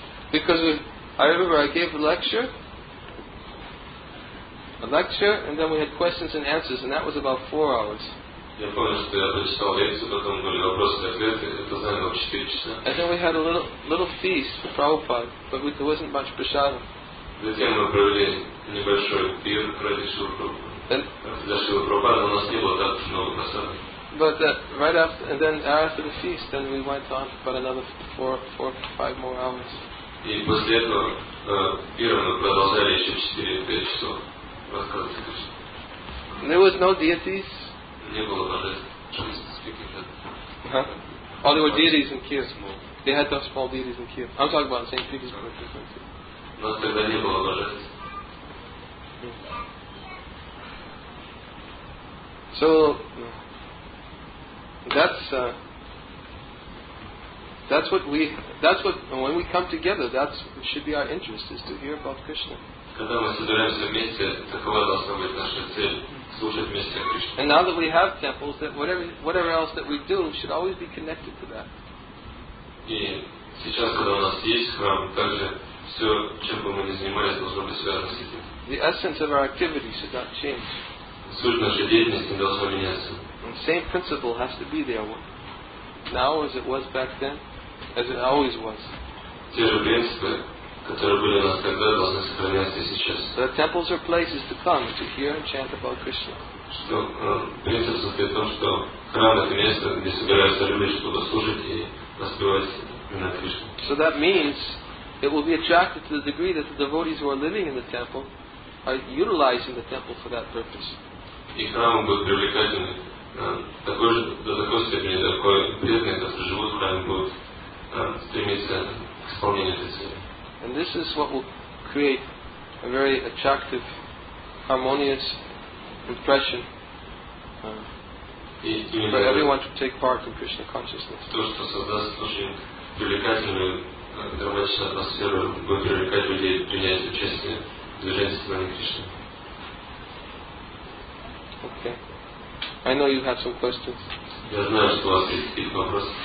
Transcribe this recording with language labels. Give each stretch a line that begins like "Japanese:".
English: Because I gave a lecture, and then we had questions and answers, and that was about 4 hours.
Russian: Я помню, что я прочитал лекцию, потом были вопросы и ответы. Это заняло 4 часа.
English: And then we had a little feast for Prabhupada, but there wasn't much prasadam.
Russian: Затем мы провели небольшой пир ради Шрилы Прабхупады. Для Шрилы Прабхупады у нас не было так много прасада.
English: But right after, and then after the feast, then we went on for about another four to five more hours.
Russian: И после этого пира мы продолжали еще 4-5 часов рассказывать Кришне.
English: There was no deities.
Russian: Не было божеств.
English: All there were deities in Kiev. They had those small deities in Kiev. I'm talking about St. Petersburg.
Russian: Но тогда не было божеств.
English: So that's that's what when we come together, that's what should be our interest, is to hear about Krishna.
Russian: Когда мы собираемся вместе, такова должна быть наша цель — слушать вместе Кришну.
English: And now that we have temples, that whatever else that we do should always be connected to that.
Russian: И сейчас, когда у нас есть храм, также все, чем бы мы ни занимались, должно быть связано с этим.
English: The essence of our activity should not change.
Russian: Суть нашей деятельности не должна меняться.
English: The same principle has to be there now as it was back then, as it always was.
Russian: Те же принципы, которые были у нас тогда, должны сохраняться и сейчас.
English: The temples are places to come to hear and chant about Krishna.
Russian: Что принцип состоит в том, что храм — это место, где собираются люди, чтобы служить и воспевать имя Кришны.
English: So that means it will be attracted to the degree that the devotees who are living in the temple are utilizing the temple for that purpose.
Russian: И храм будет привлекательным. Такой же, до такой степени, до такой бедный, которые живут в храме, будут стремиться к исполнению этой цели.
English: And this is what will create a very attractive, harmonious impression for everyone to take part in Krishna consciousness.
Russian: То, что создаст очень привлекательную, драматичную атмосферу, будет привлекать людей принять участие в движении сознания Кришны.
English: Okay. I know you have some questions.
Russian: Я знаю, что у вас есть какие-то вопросы.